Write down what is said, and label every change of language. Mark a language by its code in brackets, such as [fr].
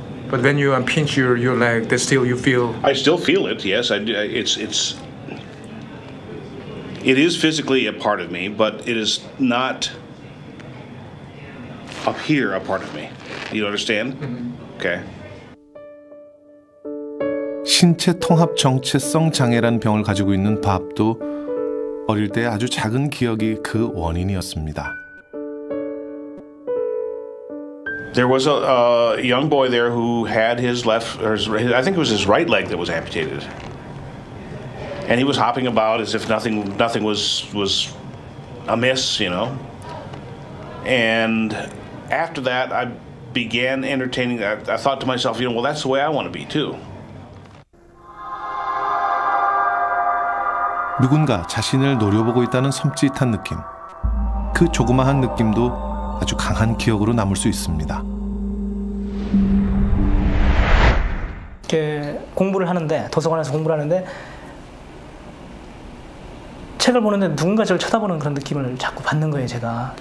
[en] But when you pinch your leg, that still you feel. I still feel it, yes. It's. It is physically a part of me, but it is not up here a part of me. You understand? Okay. [ko] 신체 통합 정체성 장애라는 병을 가지고 있는 밥도 어릴 때 아주 작은 기억이 그 원인이었습니다. [en] There was a young boy there who had his left, or his, I think it was his right leg that was amputated. And he was hopping about as if nothing was amiss, you know. And after that, I began entertaining. I thought to myself, you know, well, that's the way I want to be too. [ko] 누군가 자신을 노려보고 있다는 섬찟한 느낌. 그 조그마한 느낌도 아주 강한 기억으로 남을 수 있습니다. 이렇게 공부를 하는데, 도서관에서 공부를 하는데 책을 보는데 누군가 저를 쳐다보는 그런 느낌을 자꾸 받는 거예요, 제가.